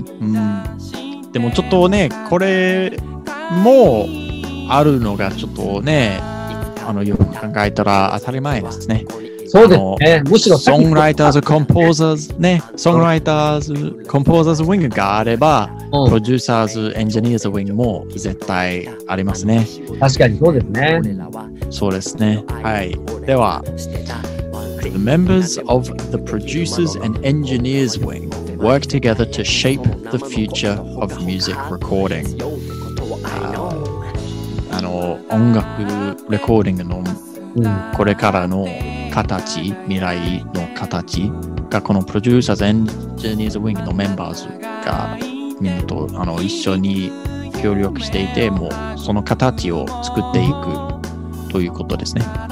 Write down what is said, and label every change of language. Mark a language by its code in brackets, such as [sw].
[ja] うん、でもちょっとね、これもあるのがちょっとね、よく考えたら当たり前ですね。そうですね。むしろ、ソングライターズ、コンポーザーズ、ね、ソングライターズ、コンポーザーズウィングがあれば、うん、プロデューサーズ、エンジニアズウィングも絶対ありますね。確かにそうですね。そうですね。はい。 [en] では、The members of the producers and engineers wing work together to shape the future of music recording. [ja] 音楽レコーディングのこれからの形、うん、未来の形がこのプロデューサーズエンジニアズウィングのメンバーズがみんなと一緒に協力していて、もうその形を作っていくということですね。